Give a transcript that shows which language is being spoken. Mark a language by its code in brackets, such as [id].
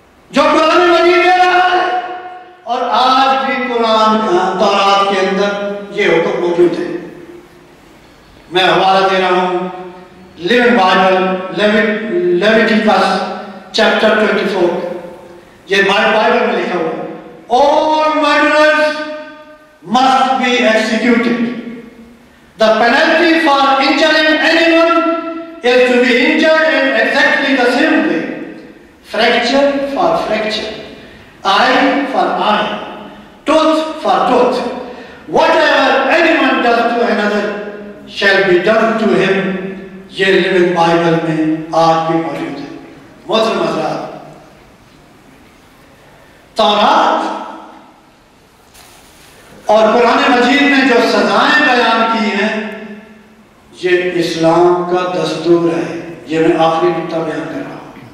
[ur] جو قرآن مجید میں ہے، اور آج بھی قرآن تورات کے اندر یہ حکم موجود ہے۔ میں حوالہ دے رہا ہوں لیوٹ بائبل لیویٹیکس چیپٹر 24، یہ بائبل میں لکھا ہوا ہے، [en] All murderers must be executed. The penalty for injuring anyone is to be injured in exactly the same way. Fracture for fracture. Eye for eye. Tooth for tooth. Whatever anyone does to another shall be done to him. [ur] یہ living Bible میں آج بھی موجود ہے۔ مسلم حضرات، تورات اور قرآن مجید میں جو سزائیں بیان کی ہیں یہ اسلام کا دستور ہے، یہ میں آخری نقطہ بیان کر رہا ہوں۔